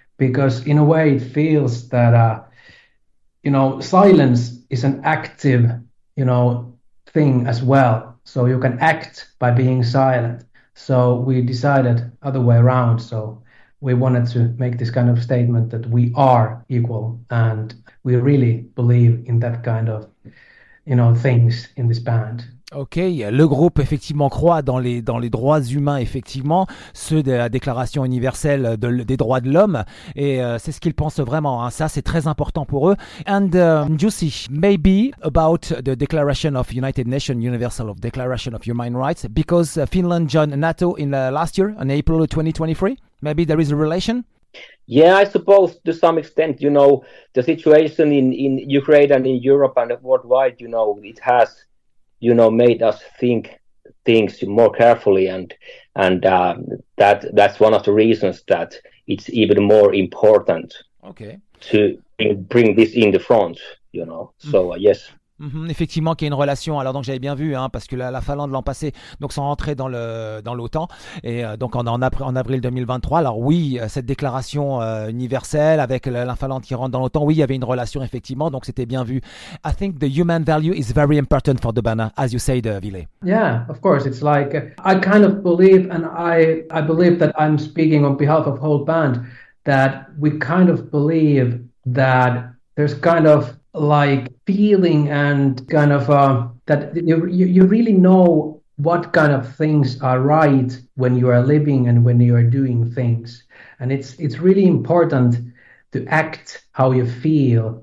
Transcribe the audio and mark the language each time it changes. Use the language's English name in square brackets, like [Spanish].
[English] Because in a way, it feels that, you know, silence is an active, you know, thing as well. So you can act by being silent. So we decided other way around. So we wanted to make this kind of statement that we are equal and we really believe in that kind of, you know, things in this band. [French] Ok, le groupe effectivement croit dans les droits humains, effectivement, ceux de la Déclaration universelle des droits de l'homme, et c'est ce qu'ils pensent vraiment. Hein. Ça, c'est très important pour eux. [English] And Juicy, maybe about the Declaration of United Nations Universal of Declaration of Human Rights, because Finland joined NATO in last year, in April 2023. Maybe there is a relation. Yeah, I suppose to some extent, you know, the situation in Ukraine and in Europe and worldwide, you know, it has, you know, made us think things more carefully, and that's one of the reasons that it's even more important to bring this in the front, you know. So yes. [French] Effectivement qu'il y a une relation, alors donc j'avais bien vu hein, parce que la Finlande l'an passé donc sont rentrés dans l'OTAN et donc en avril 2023, alors oui, cette déclaration universelle avec la Finlande qui rentre dans l'OTAN, oui, il y avait une relation effectivement, donc c'était bien vu. [English] I think the human value is very important for the banner, as you said, Ville. Yeah, of course, it's like I kind of believe, and I believe that I'm speaking on behalf of whole band, that we kind of believe that there's kind of like feeling and kind of that you really know what kind of things are right when you are living and when you are doing things, and it's really important to act how you feel.